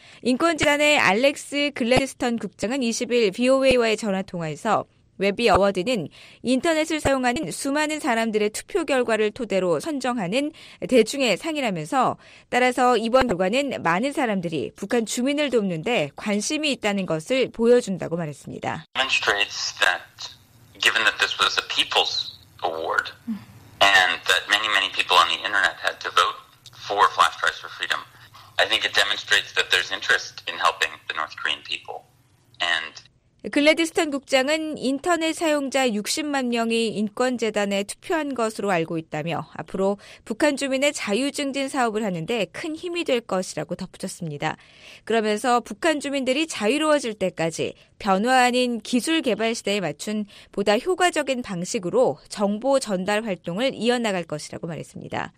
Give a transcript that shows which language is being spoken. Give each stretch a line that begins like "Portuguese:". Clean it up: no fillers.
Korean: 인권재단의 알렉스 글래드스턴 국장은 20일 VOA와의 전화통화에서 웨비 어워드는 인터넷을 사용하는 수많은 사람들의 투표 결과를 토대로 선정하는 대중의 상이라면서 따라서 이번 결과는 많은 사람들이 북한 주민을 돕는 데 관심이 있다는 것을 보여준다고 말했습니다.
English: Demonstrates that given that this was a people's award and that many, many people on the internet had to vote for flash drives for freedom, I think it demonstrates that there's interest in helping the North Korean people and
Korean: 글래드스턴 국장은 인터넷 사용자 60만 명이 인권재단에 투표한 것으로 알고 있다며 앞으로 북한 주민의 자유 증진 사업을 하는데 큰 힘이 될 것이라고 덧붙였습니다. 그러면서 북한 주민들이 자유로워질 때까지 변화 아닌 기술 개발 시대에 맞춘 보다 효과적인 방식으로 정보 전달 활동을 이어나갈 것이라고 말했습니다.